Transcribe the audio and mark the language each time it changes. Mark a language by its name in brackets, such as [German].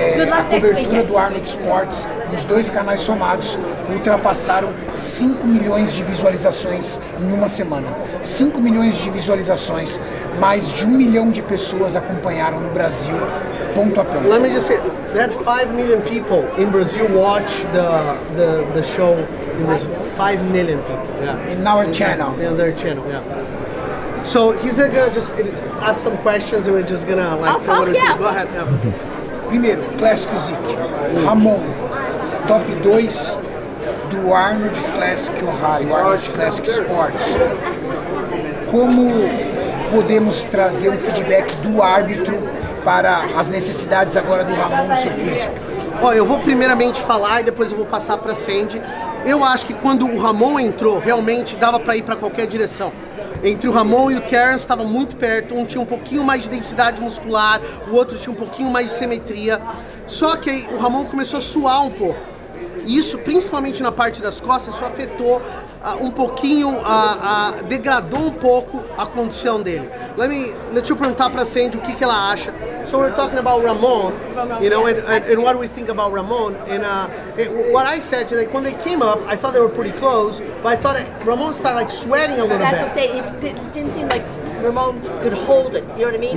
[Portuguese] A cobertura do Arnold Sports, nos 2 canais somados, ultrapassaram 5 milhões de visualizações em uma semana. 5 milhões de visualizações, mais de 1 milhão de pessoas acompanharam no Brasil, ponto a ponto. [English] Let me just say, that 5 million people in Brazil watch the show in Brazil. 5 million people, yeah. In our channel. In their channel, yeah. So he's gonna just ask some questions and we're just gonna like I'll tell what yeah. Go ahead. Yeah. [Portuguese] Primeiro, Class Physique. Ramon, top 2 do Arnold Classic Ohio, Arnold Classic Sports. Como podemos trazer um feedback do árbitro para as necessidades agora do Ramon no seu físico? Ó, eu vou primeiramente falar e depois eu vou passar para Sandy. Eu acho que quando o Ramon entrou, realmente dava para ir para qualquer direção. Entre o Ramon e o Terence estava muito perto, um tinha um pouquinho mais de densidade muscular, o outro tinha um pouquinho mais de simetria. Só que aí o Ramon começou a suar um pouco. E isso, principalmente na parte das costas, isso afetou um pouquinho, degradou um pouco a condição dele. [English] Let you [Portuguese] perguntar para Sandy o que ela acha. [English] So we're talking about Ramon, you know, and what we think about Ramon. And what I said to them, when they came up, I thought they were pretty close, but I thought Ramon started like sweating a little bit. That's what I'm saying. It didn't seem like Ramon could hold it, you know what I mean?